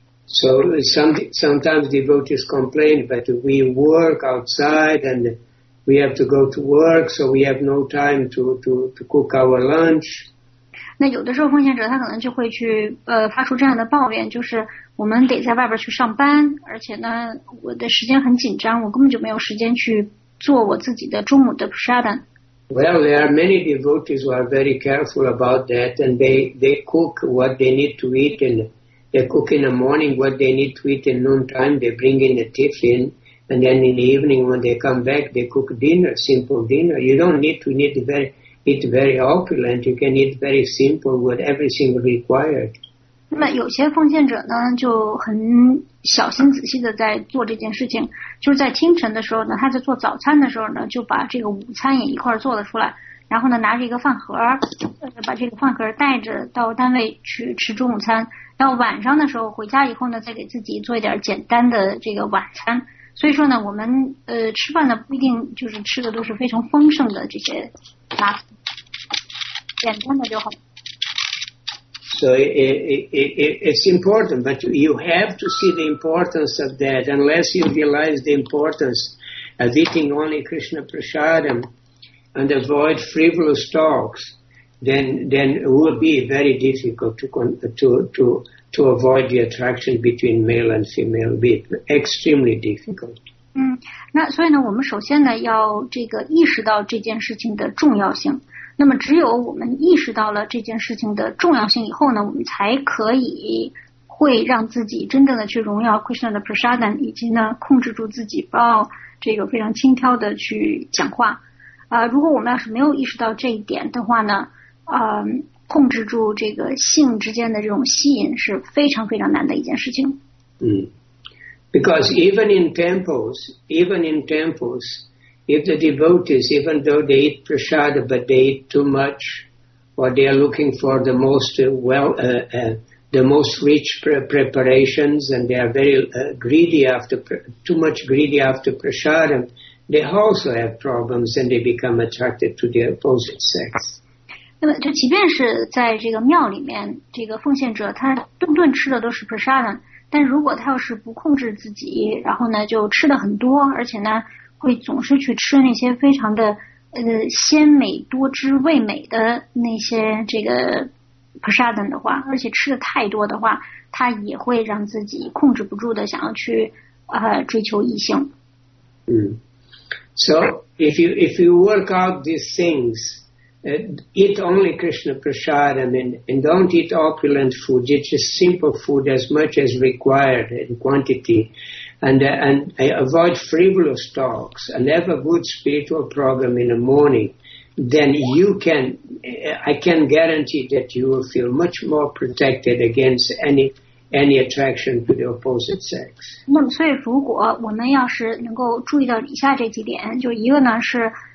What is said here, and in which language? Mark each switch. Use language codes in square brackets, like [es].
[en] So sometimes devotees complain, but we work outside and we have to go to work, so we have no time to cook our lunch. [zh] 那有的时候奉献者他可能就会去发出这样的抱怨，就是我们得在外边去上班，而且呢我的时间很紧张，我根本就没有时间去做我自己的中午的 prasadam. [en] Well, there are many devotees who are very careful about that, and they cook what they need to eat andThey cook in the morning what they need to eat in noon time. They bring in the tiffin, and then in the evening when they come back, they cook dinner, simple dinner. You don't need to eat very opulent. You can eat very simple with everything required. [zh] 那么有些奉献者呢，就很小心仔细的在做这件事情，就是在清晨的时候呢，他在做早餐的时候呢，就把这个午餐也一块做了出来。然后呢，拿着一个饭盒，把这个饭盒带着到单位去吃中午餐。然后晚上的时候回家以后呢，再给自己做一点简单的这个晚餐。所以说呢，我们吃饭呢不一定就是吃的都是非常丰盛的这些，拿简单的就好。 [en] So it's important, but you have to see the importance of that. Unless you realize the importance of eating only Krishna prasadam. And avoid frivolous talks, then it will be very difficult to avoid the attraction between male and female. Be extremely difficult. [zh] 那所以呢，我们首先呢要这个意识到这件事情的重要性。那么只有我们意识到了这件事情的重要性以后呢，我们才可以会让自己真正的去荣耀 Krishna 的 prasadam， 以及呢控制住自己，不要这个非常轻佻的去讲话。如果我们要是没有意识到这一点的话呢，控制住这个性之间的这种吸引是非常非常难的一件事情。 [en] Because even in temples, if the devotees, even though they eat prasad, but they eat too much, or they are looking for the most rich preparations, and they are very greedy after prasadam, they also have problems, and they become attracted to the opposite sex. [zh] 那么，就即便是在这个庙里面，这个奉献者他顿顿吃的都是 prasadam， 但如果他要是不控制自己，然后呢就吃的很多，而且呢会总是去吃那些非常的鲜美多汁味美的那些这个 prasadam 的话，而且吃的太多的话，他也会让自己控制不住的想要去追求异性。 [en] 嗯 ，So if you work out these things. Eat only Krishna prasadam and don't eat opulent food. Eat just simple food as much as required in quantity, and avoid frivolous talks. And have a good spiritual program in the morning. Then you can, I can guarantee that you will feel much more protected against any attraction to the opposite sex. [zh] 那么，所以如果我们要是能够注意到以下这几点，就一个呢是。